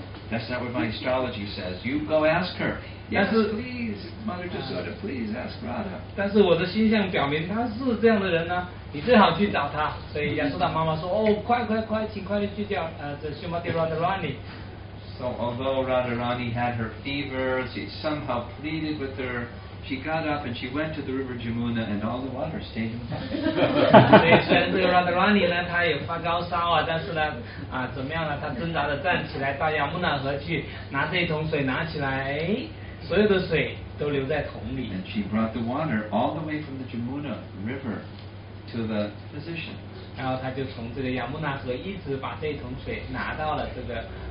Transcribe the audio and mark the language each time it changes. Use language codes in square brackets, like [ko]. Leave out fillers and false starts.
[en] That's not what my astrology says. You go ask her. Yes, please, Mother Jasoda, please ask Radha. [zh] 但是我的星象表明她是这样的人呢，你最好去找她。所以亚苏达妈妈说，哦，快快快，请快点去叫这 Srimati Radharani。 [en] So although Radharani had her fever, she somehow pleaded with her. She got up and she went to the river Jamuna, and all the water stayed in the bucket. [zh] 所以虽然这个 Radharani 呢，她也发高烧啊，但是呢，啊怎么样呢？她挣扎着站起来到亚穆纳河去拿这一桶水拿起来，哎，所有的水都留在桶里。 [en] And she brought the water all the way from the Jamuna River to the physician. [zh] 然后她就从这个亚穆纳河一直把这一桶水拿到了这个。